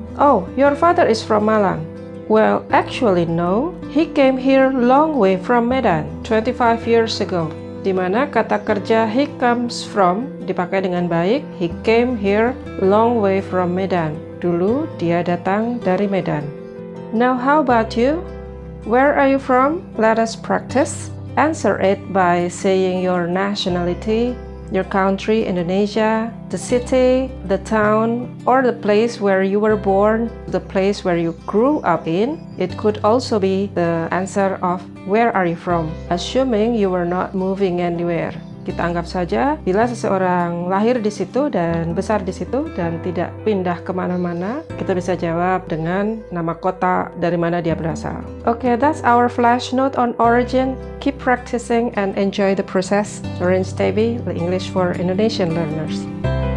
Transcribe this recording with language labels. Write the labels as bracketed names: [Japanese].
[English] Oh, your father is from Malang. Well, actually no, he came here long way from Medan 25 years ago. [Indonesian] Di mana kata kerja he comes from dipakai dengan baik, he came here long way from Medan. Dulu dia datang dari Medan. [English] Now how about you? Where are you from? Let us practice. Answer it by saying your nationality, your country, Indonesia, the city, the town, or the place where you were born, the place where you grew up in. It could also be the answer of where are you from, assuming you were not moving anywhere. [Indonesian] Kita anggap saja, bila seseorang lahir di situ dan besar di situ dan tidak pindah kemana-mana, kita bisa jawab dengan nama kota dari mana dia berasal. [English] Okay, that's our flash note on origin. Keep practicing and enjoy the process. Orange Tabby, the English for Indonesian learners.